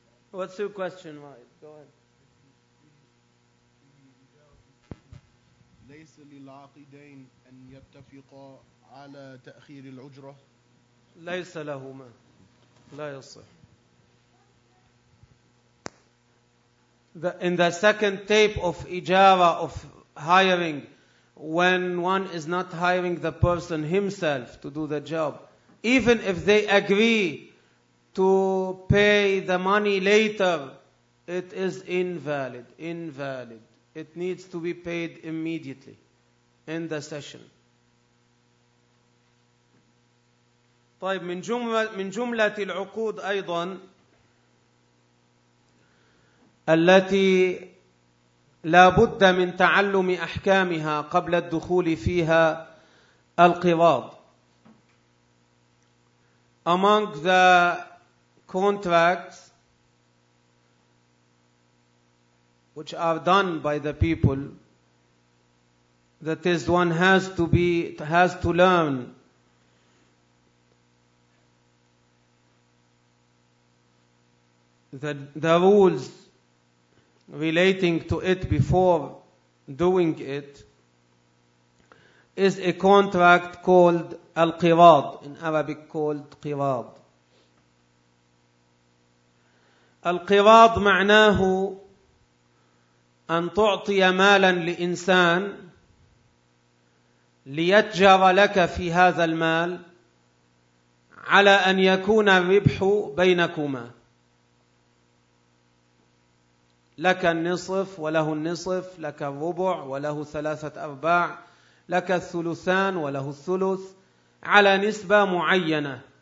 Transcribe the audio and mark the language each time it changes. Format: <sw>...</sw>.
<en>What's your question, Wahid? Go ahead.</en> <ar>ليس للعاقدين أن يتفقا على تأخير الأجرة. ليس لهما. لا يصح.</ar> <en>In the second tape of ijara of hiring, when one is not hiring the person himself to do the job, even if they agree to pay the money later, it is invalid. Invalid. It needs to be paid immediately in the session.</en> <ar>طيب من جملة العقود أيضا التي لا بد من تعلم أحكامها قبل الدخول فيها القراض.</ar> <en>Among the contracts which are done by the people, that is, one has to learn the rules relating to it before doing it, is a contract called al-qirad, in Arabic called qirad.</en> <ar>القراض معناه أن تعطي مالا لإنسان ليتجر لك في هذا المال على أن يكون الربح بينكما، لك النصف وله النصف، لك الربع وله ثلاثة أرباع، لك الثلثان وله الثلث على نسبة معينة،</ar>